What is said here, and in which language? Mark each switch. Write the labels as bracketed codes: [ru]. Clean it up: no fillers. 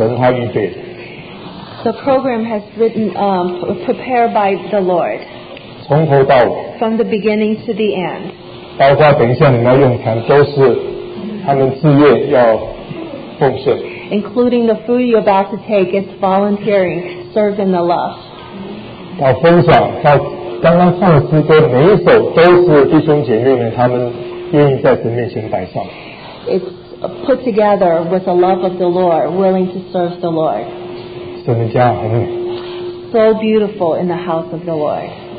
[en] The program has written prepared by the Lord. From the beginning to the end. Including the food you're about to take, it's volunteering, serving the love. [zh] 到分享到刚刚唱诗歌每一首都是弟兄姐妹们他们愿意在神面前摆上 [en] It's put together with the love of the Lord, willing to serve the Lord. [zh] 神的家很美 [en] So beautiful in the house of the Lord.